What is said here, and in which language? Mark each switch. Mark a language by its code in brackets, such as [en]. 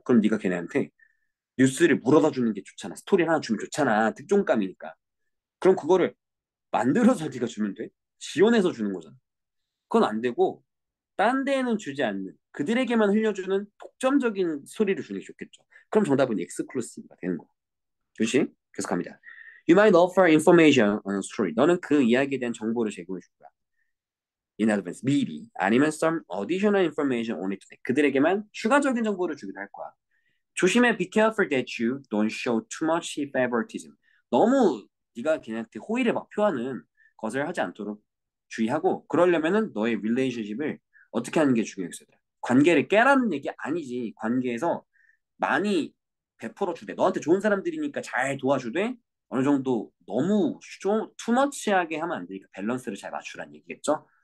[ko] 그럼 네가 걔네한테 뉴스를 물어다 주는 게 좋잖아. 스토리 하나 주면 좋잖아. 특종감이니까. 그럼 그거를 만들어서 네가 주면 돼. 지원해서 주는 거잖아. 그건 안 되고 딴 데에는 주지 않는 그들에게만 흘려주는 독점적인 소리를 주는 게 좋겠죠. 그럼 정답은 익스클루시브가 되는 거. 조심. 계속 갑니다. [en] You might offer information on a story. [ko] 너는 그 이야기에 대한 정보를 제공해 줄 거야. [en] In advance, [ko] 미리. 아니면 [en] some additional information only today. [ko] 그들에게만 추가적인 정보를 주기도 할 거야. 조심해, [en] be careful that you don't show too much favoritism. [ko] 너무 네가 걔한테 호의를 막 표하는 것을 하지 않도록 주의하고, 그러려면은 너의 relationship을 어떻게 하는 게 중요해요. 관계를 깨라는 얘기 아니지. 관계에서 많이 베풀어 주되, 너한테 좋은 사람들이니까 잘 도와주되, 어느 정도 너무 [en] too much [ko] 하게 하면 안 되니까 밸런스를 잘 맞추라는 얘기겠죠.